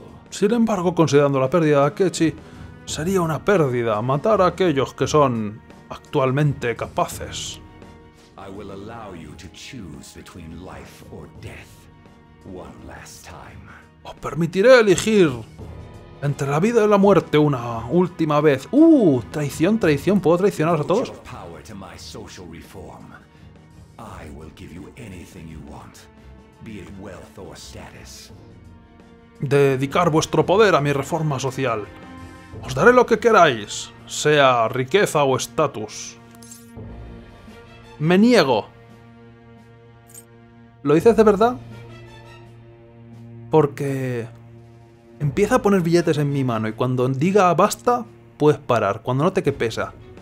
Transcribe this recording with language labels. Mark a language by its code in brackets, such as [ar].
[es] Sin embargo, considerando la pérdida de Akechi, sería una pérdida matar a aquellos que son actualmente capaces. [en] I will allow you to choose between life or death one last time. [es] Os permitiré elegir entre la vida y la muerte una última vez. Traición, ¿puedo traicionar a todos? [en] Put power to my social reform. I will give you anything you want, be it wealth or status. [es] Dedicar vuestro poder a mi reforma social. Os daré lo que queráis, sea riqueza o estatus. ¡Me niego! ¿Lo dices de verdad? Porque empieza a poner billetes en mi mano y cuando diga basta, puedes parar, cuando note que pesa.